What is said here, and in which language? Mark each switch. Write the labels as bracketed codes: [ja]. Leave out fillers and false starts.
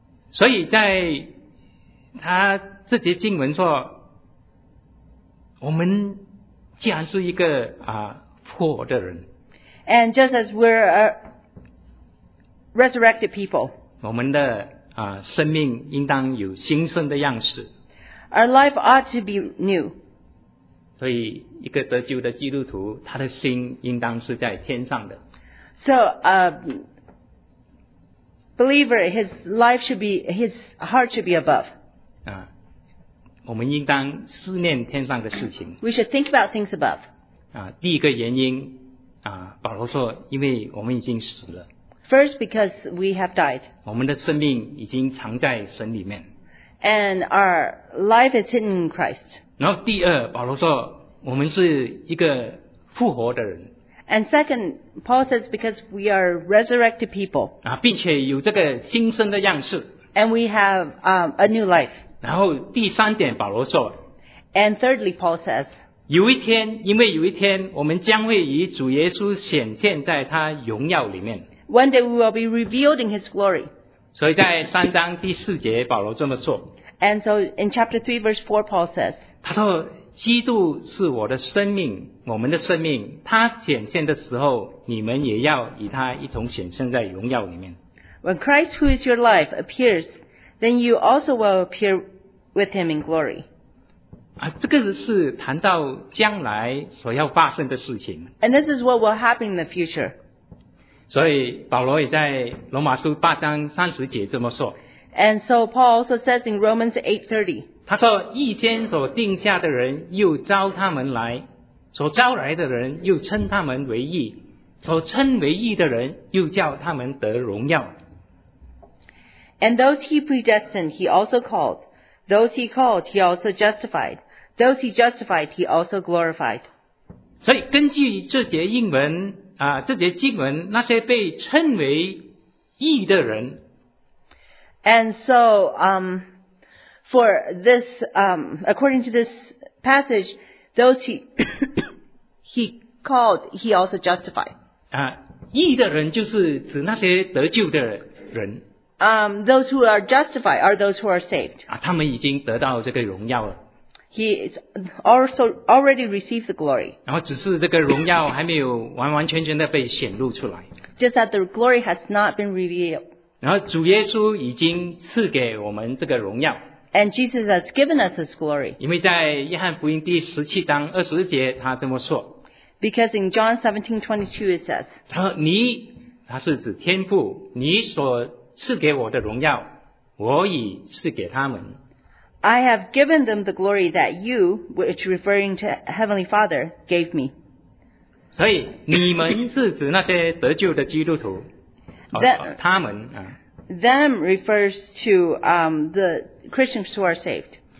[zh] 所以在他这节经文说，我们既然是一个复活的人 [en] ，and just as we're a resurrected people， [zh] 我们的生命应当有新生的样式 [en] ，our life ought to be new。 [zh] 所以一个得救的基督徒，他的心应当是在天上的。 [en] So believer, his life should be, his heart should be above. [zh] 我们应当思念天上的事情。 [en] We should think about things above. [zh] 第一个原因，保罗说，因为我们已经死了。 [en] First, because we have died. [zh] 我们的生命已经藏在神里面。 [en] And our life is hidden in Christ. [zh] 然后第二，保罗说，我们是一个复活的人。 [en] And second, Paul says, because we are resurrected people. [zh] 并且有这个新生的样式。 [en] And we have a new life. [zh] 然后第三点，保罗说。 [en] And thirdly, Paul says. [zh] 有一天，因为有一天，我们将会与主耶稣显现在他荣耀里面。 [en] One day we will be revealed in his glory. [zh] 所以在三章第四节，保罗这么说。 [en] And so in chapter 3, verse 4, Paul says. [zh] 他说基督是我的生命，我们的生命，他显现的时候，你们也要与他一同显现在荣耀里面。 [en] When Christ, who is your life, appears, then you also will appear with him in glory. [zh] 这个是谈到将来所要发生的事情。 [en] And this is what will happen in the future. [zh] 所以保罗也在罗马书八章三十节这么说。 [en] And so Paul also says in Romans 8:30. [zh] 他说一间所定下的人又招他们来，所招来的人又称他们为义，所称为义的人又叫他们得荣耀。 [en] And those he predestined he also called, those he called he also justified, those he justified he also glorified. [zh] 所以根据这节英文这节经文，那些被称为义的人。 [en] And so For this, according to this passage, those he called, he also justified. [zh] 义的人就是指那些得救的人。 [en] Those who are justified are those who are saved. [zh] 他们已经得到这个荣耀了。 [en] He is also already received the glory. [zh] 然后只是这个荣耀还没有完完全全的被显露出来。 [en] Just that the glory has not been revealed. [zh] 然后主耶稣已经赐给我们这个荣耀。 [en] And Jesus has given us His glory. [zh] 因为在约翰福音第十七章二十节，他这么说。 [en] Because in John 17:22 it says. [zh] 他说你，他是指天父，你所赐给我的荣耀，我已赐给他们。 [en] I have given them the glory that you, which referring to Heavenly Father, gave me. [zh] 所以你们是指那些得救的基督徒，他们啊。 [en] Them refers to the Christians who are saved.